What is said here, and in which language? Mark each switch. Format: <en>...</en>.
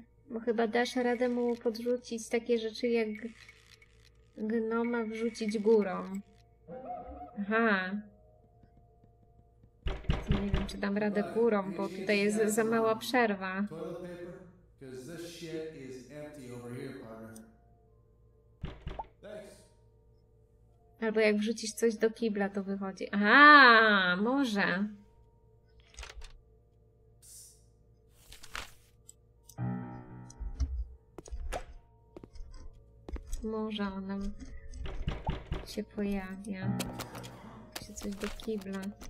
<pl>Bo chyba dasz radę mu podrzucić takie rzeczy jak gnoma wrzucić górą. Aha. Nie wiem, czy dam radę górą, bo tutaj jest za mała przerwa.</pl> <en>Because this shit is empty over here, partner. Thanks.</en> <pl>Albo jak wrzucisz coś do kibla, to wychodzi. A, może. Może ona się pojawia. Się coś do kibla.</pl>